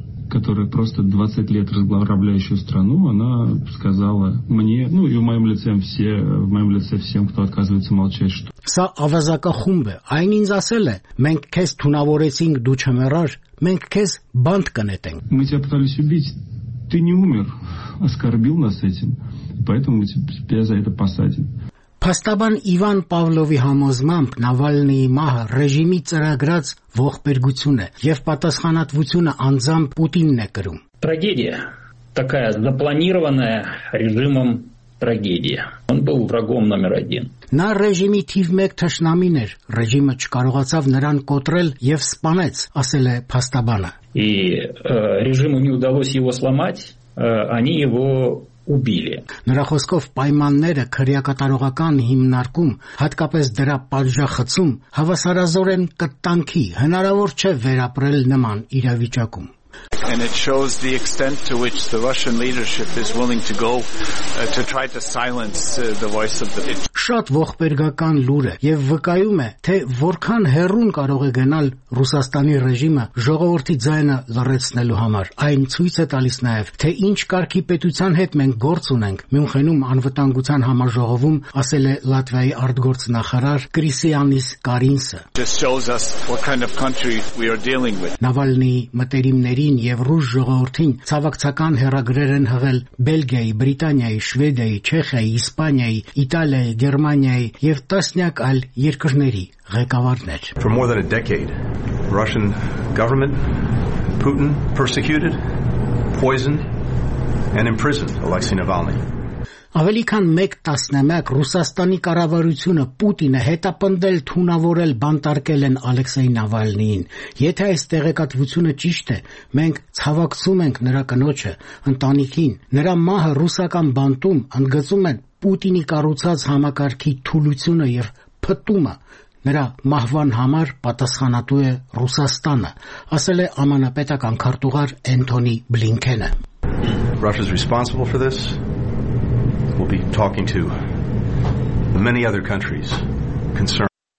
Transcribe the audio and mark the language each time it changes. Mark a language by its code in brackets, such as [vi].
[ru] Которая просто 20 лет разграбляющую страну, она сказала мне, ну и в моем лице всем, кто отказывается молчать, что... [hy] Սա ավազակախումբ է, այն ինձ ասել է, մենք քեզ թունավորեցինք, դու չմեռար, մենք քեզ բանտ կնետենք։ [ru] Мы тебя пытались убить, ты не умер, оскорбил нас этим, поэтому мы тебя за это посадим. [hy] Փաստաբան Իվան Պավլովի համոզմամբ Նավալնիի մահը ռեժիմի ծրագրած ողբերգություն է, և պատասխանատվությունը անձամբ Պուտինն է կրում։ [ru] Трагедия такая запланированная режимом трагедия. Он был врагом номер 1. [hy] Նա ռեժիմի թիվ 1 թշնամին էր, ռեժիմը չկարողացավ նրան կոտրել և սպանեց, ասել է փաստաբանը։ [ru] И режиму не удалось его сломать, они его убили. [hy] Նրա խոսքով պայմանները քրեակատարողական հիմնարկում, հատկապես դրա պատժախցում, հավասարազոր են կտանքի, հնարավոր չէ վերապրել նման իրավիճակում։ [en] And it shows the extent to which the Russian leadership is willing to go to try to silence the voice of the people. [hy] Շատ ողբերգական լուր է, եւ վկայում է, թե որքան հեռուն կարող է գնալ Ռուսաստանի ռեժիմը ժողովրդի ձայնը լրացնելու համար։ Այն ցույց է տալիս նաեւ, թե ինչ կարգի պետության հետ մենք գործ ունենք։ Մյունխենում անվտանգության համաժողովում, ասել է Լատվիայի արտգործնախարար Կրիսիանիս Կարինսը։ [en] This shows us what kind of country we are dealing with. [hy] Նավալնիի մտերիմների հայերին և ռուս ժողովրդին ցավակցական հերագրեր են հղել Բելգիայի, Բրիտանիայի, Շվեդիայի, Չեխիայի, Իսպանիայի, Իտալիայի, Գերմանիայի և տասնյակ այլ երկրների ղեկավարներ. [en] For more than a decade, Russian government, Putin persecuted, poisoned and imprisoned Alexei Navalny. [hy] Ավելի քան 1.11 Ռուսաստանի կառավարությունը Պուտինը հետապնդել, թունավորել, բանտարկել են Ալեքսեյ Նավալնին։ Եթե այս տեղեկատվությունը ճիշտ է, մենք ցավակցում ենք նրա կնոջը, ընտանիքին։ Նրա մահը ռուսական բանտում ընդգծում են Պուտինի կառուցած համակարգի թուլությունը եւ փտումը։ Նրա մահվան համար պատասխանատու է Ռուսաստանը, ասել է ԱՄՆ-պետական քարտուղար Էնթոնի Բլինքենը։ [en] Russia is responsible for this. We'll be talking to many other countries concerned.